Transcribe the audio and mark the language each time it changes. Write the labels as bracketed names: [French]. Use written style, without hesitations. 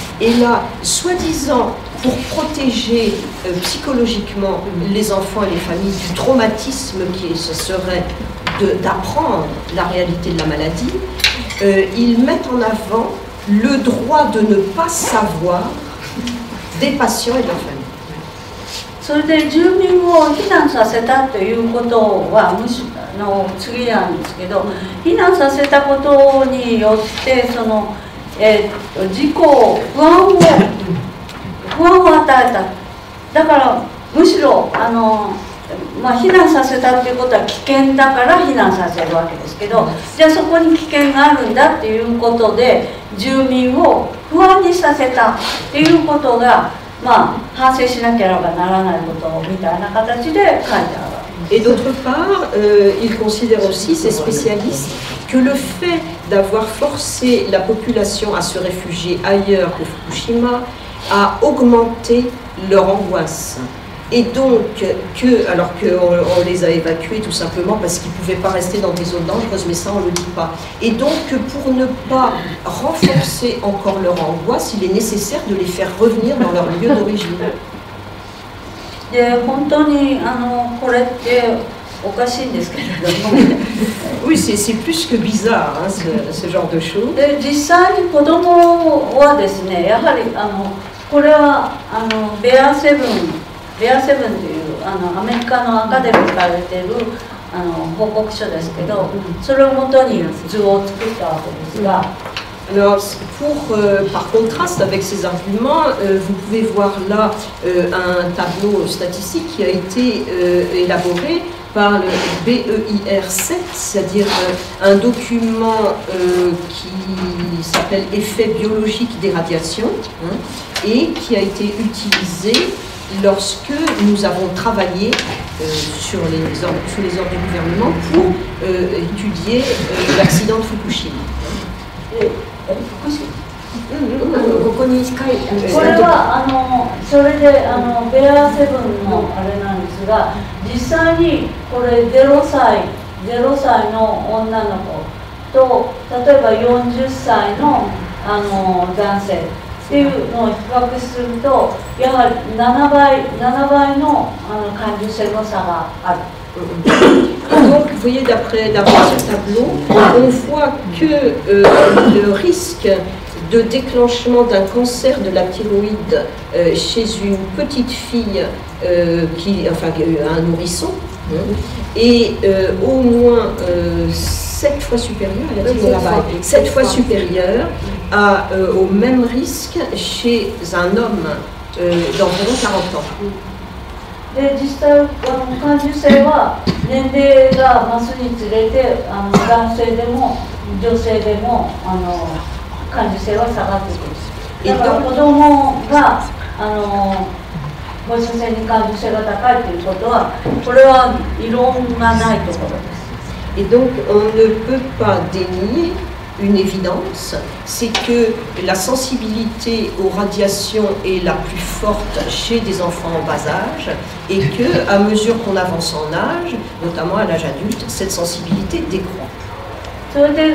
[French] Et là, soi-disant pour protéger psychologiquement les enfants et les familles du traumatisme qui ce serait d'apprendre la réalité de la maladie, ils mettent en avant le droit de ne pas savoir des patients et de leurs familles. [Japanese] それで住民を避難させたということは、むしろ、次なんですけど、避難させたことによって、事故を不安を与えた。だから、むしろ、まあ、避難させたということは危険だから避難させるわけですけど、じゃあそこに危険があるんだっていうことで住民を不安にさせたっていうことが、まあ、反省しなければならないことみたいな形で書いてある。 [French] Et d'autre part, il considère aussi, ces spécialistes, que le fait d'avoir forcé la population à se réfugier ailleurs que Fukushima a augmenté leur angoisse. Et donc, que, alors qu'on les a évacués tout simplement parce qu'ils ne pouvaient pas rester dans des zones dangereuses, mais ça on ne le dit pas. Et donc, pour ne pas renforcer encore leur angoisse, il est nécessaire de les faire revenir dans leur lieu d'origine. [Japanese] で本当にあのこれっておかしいんですけれども。 [French] oui, c'est plus que bizarre, hein, ce genre de choses. [Japanese] で実際に子どもはですね、やはりあのこれはあのベアセブン、ベアセブンというあのアメリカのアカデミーから出ているあの報告書ですけど、それをもとに図を作ったわけですが。 [French] Alors, par contraste avec ces arguments, vous pouvez voir là un tableau statistique qui a été élaboré par le BEIR7, c'est-à-dire un document qui s'appelle « Effet biologique des radiations hein, » et qui a été utilisé lorsque nous avons travaillé sur les ordres du gouvernement pour étudier l'accident de Fukushima. [Japanese] ここに近いこれはあのそれであのベアセブンのあれなんですが、実際にこれ0歳の女の子と例えば40歳 の, あの男性っていうのを比較すると、やはり7倍 の, あの感受性の差がある。 [French] Donc, vous voyez, d'après ce tableau, on voit que le risque de déclenchement d'un cancer de la thyroïde chez une petite fille, un nourrisson, est au moins 7 fois supérieur, au même risque chez un homme d'environ 40 ans. [Japanese] で実際あの感受性は年齢が増すにつれて、あの男性でも女性でもあの感受性は下がっていきます。だから子供があの放射線に感受性が高いということは、これは異論がないところです。 [French] Et donc on ne peut pas dénier une évidence, c'est que la sensibilité aux radiations est la plus forte chez des enfants en bas âge, et que à mesure qu'on avance en âge, notamment à l'âge adulte, cette sensibilité décroît.